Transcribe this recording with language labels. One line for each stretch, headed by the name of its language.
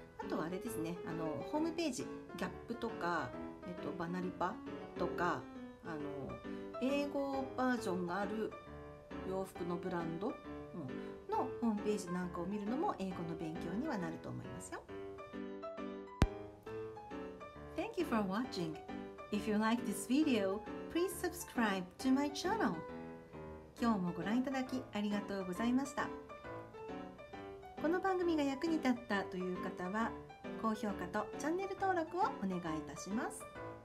Japanese: あとはあれですね、ホームページ、ギャップとか、バナリパとか、英語バージョンがある洋服のブランド、のホームページなんかを見るのも英語の勉強にはなると思いますよ。
English: Thank you for watching. If you like this video, please subscribe to my channel.
Japanese: 今日もご覧いただきありがとうございました。この番組が役に立ったという方は、高評価とチャンネル登録をお願いいたします。